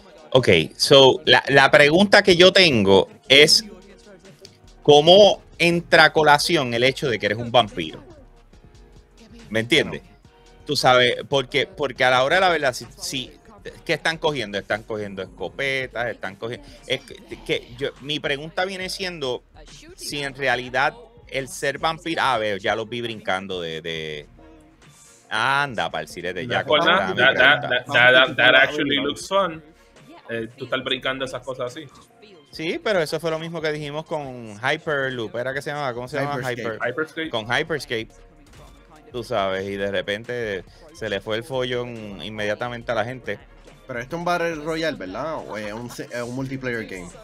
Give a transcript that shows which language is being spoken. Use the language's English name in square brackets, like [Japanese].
[Spanish] Ok, so la pregunta que yo tengo es, ¿cómo entra a colación el hecho de que eres un vampiro? ¿Me entiendes? Bueno. Tú sabes, porque a la hora de la verdad, si ¿qué están cogiendo? Están cogiendo escopetas, están cogiendo... Es que yo, mi pregunta viene siendo si en realidad el ser vampiro... Ah, veo, ya los vi brincando de... Anda, parcirete, ya. [English] No, no, that actually looks fun. [Spanish] Tú estás brincando esas cosas así. Sí, pero eso fue lo mismo que dijimos con Hyperloop. ¿Era que se llamaba? ¿Cómo se llama? Hyperscape. Con Hyperscape. Tú sabes, y de repente se le fue el follón inmediatamente a la gente. Pero esto es un Battle Royale, ¿verdad? ¿O es un multiplayer game?